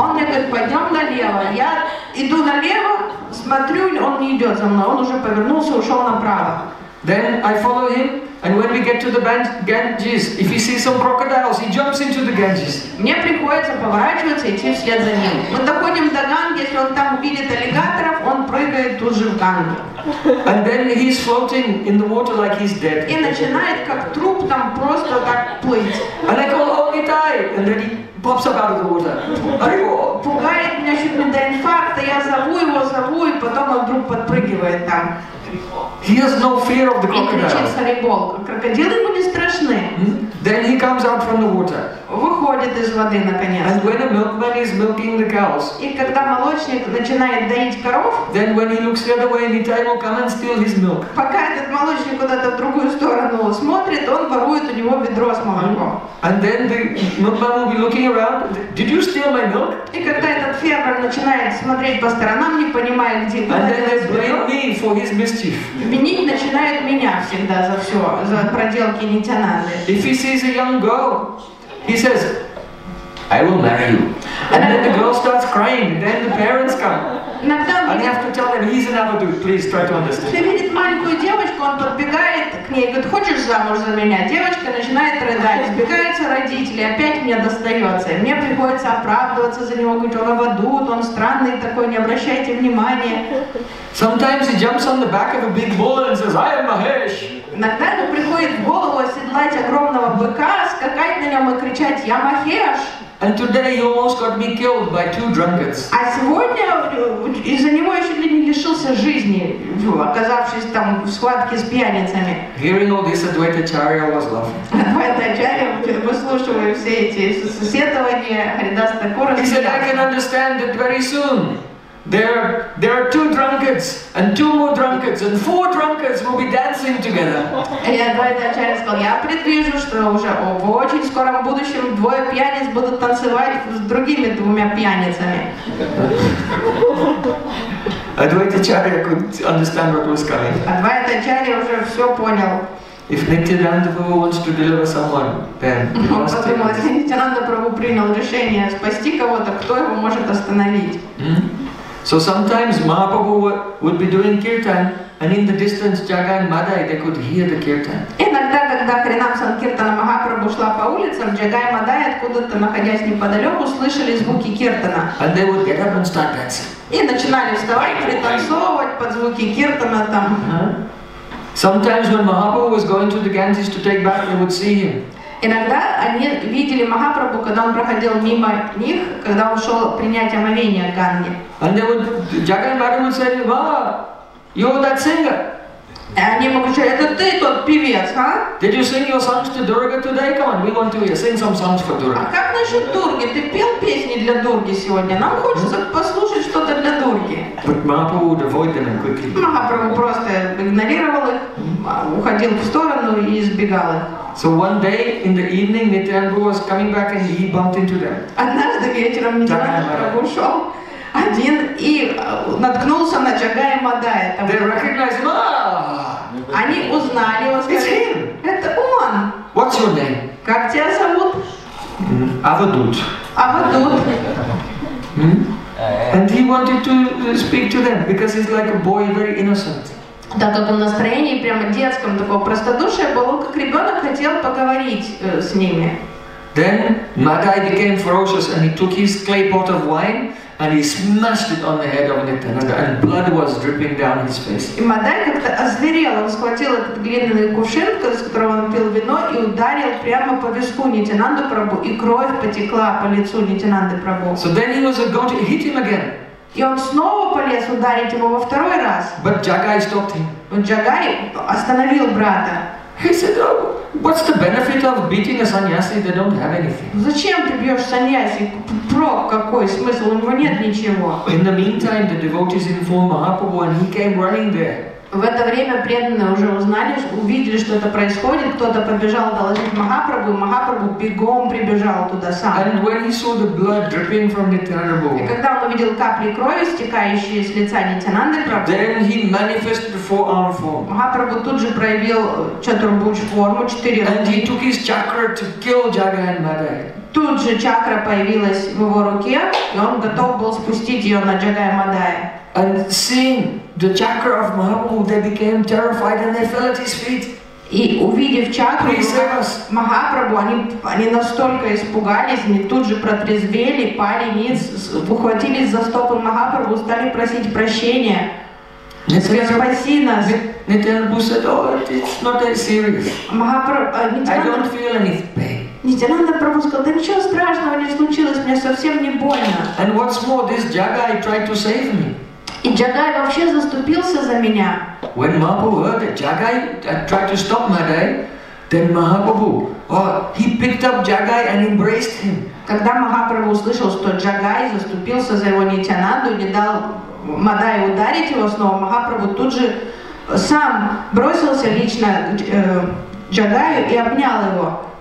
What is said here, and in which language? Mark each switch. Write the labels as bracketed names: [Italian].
[Russian] Он мне говорит, пойдем налево. Я иду налево, смотрю, он не идет за мной. Он уже повернулся, ушел направо. [English] Then I follow him. And when we get to the Ganges, if he sees some crocodiles, he jumps into the Ganges. [Russian] Мне приходится поворачиваться и идти вслед за ним. Мы доходим до Ганги, если он там видит аллигаторов, он прыгает тут же в Гангу. [English] And then he's floating in the water like he's dead. [Russian] И начинает как труп там просто так плыть. [English] And I go, oh, he died. And then he pops up out of the water. [Russian] Пугает меня чуть не до инфаркта, я зову его, и потом он вдруг подпрыгивает там. [English] He has no fear of the crocodile. [Russian] Крокодилы ему не страшны. [English] Then he comes out from the water. [Russian] Выходит из воды наконец. [English] And when a milkman is milking the cows. [Russian] И когда молочник начинает доить коров. [English] Then when he looks the other way, Nitai will come and steal his milk. [Russian] Пока этот молочник куда-то в другую сторону смотрит, он ворует у него ведро с молоком. [English] And then the milkman will be looking around. Did you steal my milk? [Russian] И когда этот фермер начинает смотреть по сторонам, не понимая, где это. [English] And then they blame me for his mischief. [Russian] Винить начинает меня всегда за все, за проделки Нитянанды. [English] If he sees a young girl, he says, I will marry you. And then the girl starts crying, then the parents come. [Russian] Иногда [English] I [Russian] видит, [English] have to tell them, he's an avadut, please try to understand. [Russian] Видит маленькую девочку, он подбегает к ней, говорит, хочешь замуж за меня? Девочка начинает рыдать, сбегаются родители, опять мне достается. Мне приходится оправдываться за него, говорит, он авадут, он странный такой, не обращайте внимания. [English] Sometimes he jumps on the back of a big bull and says, I am Mahesh. [Russian] Иногда ему приходит в голову оседлать огромного быка, скакать на нем и кричать, я Махеш. [English] And today he almost got me killed by two drunkards. [Russian] А сегодня из-за него я чуть ли не лишился жизни, оказавшись там в схватке с пьяницами. [English] Hearing all this, Advaita Acharya was laughing. [Russian] Advaita Acharya, выслушивая все эти сетования, Харидас Такура. [English] He said, I can understand it very soon. There are two drunkards, and two more drunkards, and four drunkards will be dancing together. [Russian] И Advaita Acharya сказал, я предвижу, что уже в очень скором будущем двое пьяниц будут танцевать с другими двумя пьяницами. [English] Advaita Acharya could understand what was coming. [Russian] Advaita Acharya уже все понял. [English] If Nityananda Prabhu wants to deliver someone, then he must take it. [Russian] Если Nityananda Prabhu принял решение спасти кого-то, кто его может остановить? [English] So sometimes Mahaprabhu would be doing kirtan, and in the distance Jagan Madai, they could hear the kirtan. [Russian] Иногда, когда Харинам Санкиртана Махапрабху шла по улицам, Джагай Мадай, откуда-то находясь неподалеку, слышали звуки киртана. [English] And they would get up and start dancing. [Russian] И начинали вставать, пританцовывать под звуки киртана там. [English] Sometimes when Mahaprabhu was going to the Ganges to take bath, they would see him. [Russian] Иногда они видели Махапрабху, когда он проходил мимо них, когда он шел принять омовение в Ганге. [English] And they would, Jagan Bhadra would say, "Wow, you're that singer." [Russian] И они могут сказать, это ты тот певец, а? [English] Did you sing your songs to Durga today? Come on, we want to hear. Sing some songs for Durga. [Russian] А как насчет Дурги? Ты пел песни для Дурги сегодня? Нам хочется послушать что-то для Дурги. [English] But Mahaprabhu would avoid them quickly. [Russian] Махапрабху просто игнорировал их, уходил в сторону и избегал их. [English] So one day in the evening, Nityananda was coming back and he bumped into them. [Russian] Однажды вечером Нитянанда ушел один и наткнулся на Джагая Мадая. [English] They recognized him. [Russian] Они узнали его. [English] It's him. [Russian] Это он. [English] What's your name? [Russian] Как тебя зовут? [English] Avadut. [Russian] Avadut. [English] And he wanted to speak to them because he's like a boy, very innocent. [Russian] Так как он в настроении прямо детском такого простодушия был, он как ребенок хотел поговорить с ними. [English] Then Madai became ferocious and he took his clay pot of wine and he smashed it on the head of Nityananda and blood was dripping down his face. [Russian] И Мадай как-то озверел, он схватил этот глиняный кувшин, из которого он пил вино, и ударил прямо по виску Нитянанды Прабху, и кровь потекла по лицу Нитянанды Прабху. [English] So then he was going to hit him again. [Russian] И он снова полез ударить его во второй раз. [English] But Jagai stopped him. [Russian] Но Джагай остановил брата. [English] He said, "Oh, what's the benefit of beating a sannyasi if they don't have anything?" [Russian] Зачем ты бьешь саньяси? Прок какой смысл? У него нет ничего. [English] In the meantime, the devotees informed Mahaprabhu, and he came running there. [Russian] В это время преданные уже узнали, увидели, что это происходит. Кто-то побежал доложить Махапрабху, и Махапрабху бегом прибежал туда сам. [English] And when he saw the blood dripping from Nityananda, [Russian] и когда он увидел капли крови, стекающие с лица Нитянанды Прабху, [English] then he manifested four arm form. [Russian] Махапрабху тут же проявил четырбуч форму, четыре руки. [English] And he took his chakra to kill Jagan Madai. [Russian] Тут же чакра появилась в его руке, и он готов был спустить ее на Джагая Мадая. [English] And seeing the chakra of Mahaprabhu, they became terrified and they fell at his feet. [Russian] И увидев чакру Махапрабху, они настолько испугались, они тут же протрезвели, пали ниц, ухватились за стопы Махапрабху, стали просить прощения. Спаси нас. [English] Nityananda said, "Oh, it's not that serious. [Russian] Махапрабху, [English] I don't feel any pain." [Russian] Нитянанда Прабху сказал, да ничего страшного не случилось, мне совсем не больно. [English] And what's more, this Jagai tried to save me. [Russian] И Джагай вообще заступился за меня. [English] When Mahaprabhu heard that Jagai tried to stop Madai, then Mahaprabhu, he picked up Jagai and embraced him. [Russian] Когда Махапрабху услышал, что Джагай заступился за его Нитянанду, не дал Мадай ударить его снова, Махапрабху тут же сам бросился лично Джагаю и обнял его.